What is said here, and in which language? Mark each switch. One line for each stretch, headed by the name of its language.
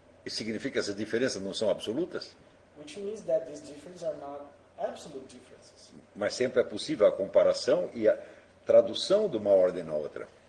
Portuguese: Isso significa que essas diferenças não são absolutas?
English: Which means that these differences are not absolute differences.
Portuguese: Mas sempre é possível a comparação e a tradução de uma ordem na outra.